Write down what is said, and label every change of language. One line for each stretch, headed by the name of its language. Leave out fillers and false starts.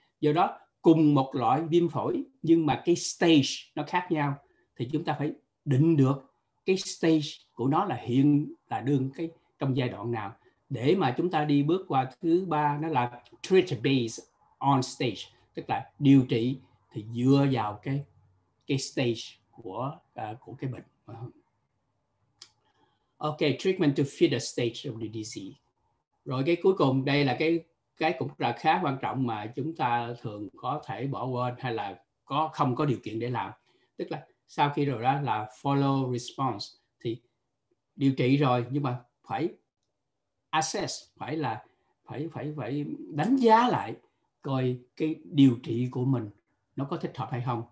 Vietnamese: Do đó cùng một loại viêm phổi nhưng mà cái stage nó khác nhau, thì chúng ta phải định được cái stage của nó là hiện là đương cái trong giai đoạn nào, để mà chúng ta đi bước qua thứ ba, nó là
English: treat based on stage,
Vietnamese: tức là điều trị thì dựa vào cái stage của cái bệnh.
English: Ok, treatment to fit the stage of the disease.
Vietnamese: Rồi cái cuối cùng, đây là cái cũng là khá quan trọng mà chúng ta thường có thể bỏ quên hay là không có điều kiện để làm. Tức là sau khi rồi đó là
English: follow response,
Vietnamese: thì điều trị rồi nhưng mà phải assess, phải đánh giá lại coi cái điều trị của mình nó có thích hợp hay không.